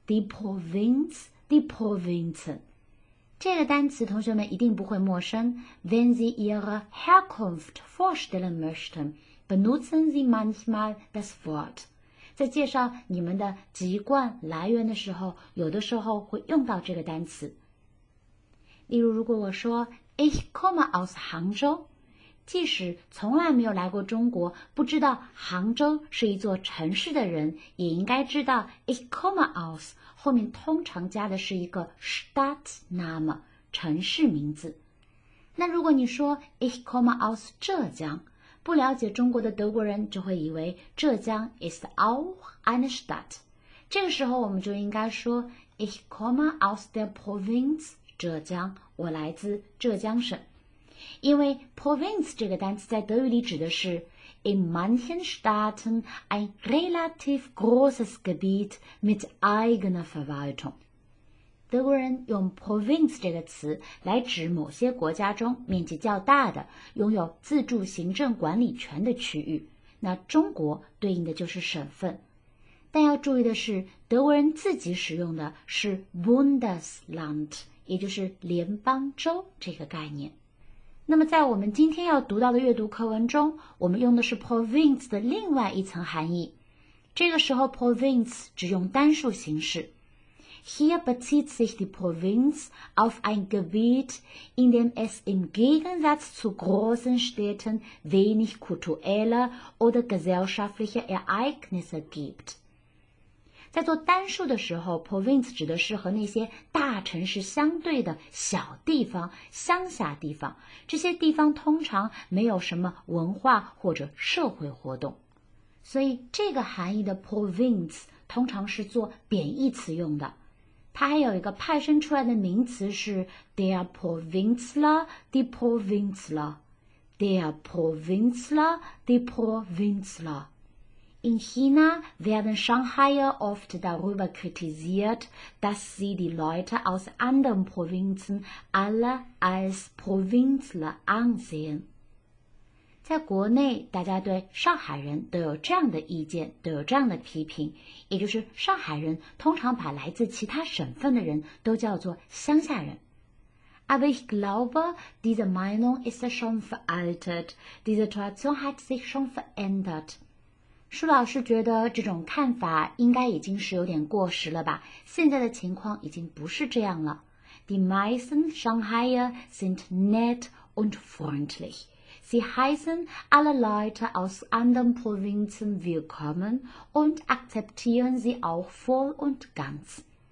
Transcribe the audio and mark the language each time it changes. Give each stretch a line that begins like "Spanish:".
Chinese: Die Provinz 这个单词同学们一定不会陌生。
German: Wenn Sie Ihre Herkunft vorstellen möchten, benutzen Sie manchmal das Wort.
Chinese: 在介绍你们的籍贯来源的时候，有的时候会用到这个单词。例如如果我说
German: Ich komme aus Hangzhou，
Chinese: 即使从来没有来过中国，不知道杭州是一座城市的人，也应该知道
German: Ich komme aus
Chinese: 后面通常加的是一个 Stadtname 城市名字。那如果你说
German: Ich komme aus
Chinese: 浙江，不了解中国的德国人就会以为浙江
German: ist auch eine Stadt，
Chinese: 这个时候我们就应该说
German: Ich komme aus der Provinz
Chinese: 浙江，我来自浙江省。因为 Provinz 这个单词在德语里指的是
German: in manchen Staaten ein relativ großes Gebiet mit eigener Verwaltung。
Chinese: 德国人用 Provinz 这个词来指某些国家中面积较大的、拥有自主行政管理权的区域，那中国对应的就是省份。但要注意的是，德国人自己使用的是 Bundesland， 也就是联邦州这个概念。那么在我们今天要读到的阅读课文中，我们用的是 province 的另外一层含义。这个时候 province 只用单数形式。
German: Hier bezieht sich die Provinz auf ein Gebiet, in dem es im Gegensatz zu großen Städten wenig kulturelle oder gesellschaftliche Ereignisse gibt。
Chinese: 在做单数的时候， province 指的是和那些大城市相对的小地方、乡下地方，这些地方通常没有什么文化或者社会活动。所以这个含义的 province 通常是做贬义词用的。它还有一个派生出来的名词是
German: der Provinzler, die Provinzler,
Chinese: der Provinzler, die Provinzler。
German: In China werden Shanghaier oft darüber kritisiert, dass sie die Leute aus anderen Provinzen alle als Provinzler ansehen.
Chinese: 在国内，大家对上海人都有这样的意见，都有这样的批评，也就是上海人通常把来自其他省份的人都叫做乡下人。
German: Aber ich glaube, diese Meinung ist schon veraltet. Die Situation hat sich schon verändert.
Chinese: 舒老师觉得这种看法应该已经是有点过时了吧？现在的情况已经不是这样了。
German: Die meisten Shanghaier sind nett und freundlich. Sie heißen alle Leute aus anderen Provinzen willkommen und akzeptieren sie auch voll und ganz.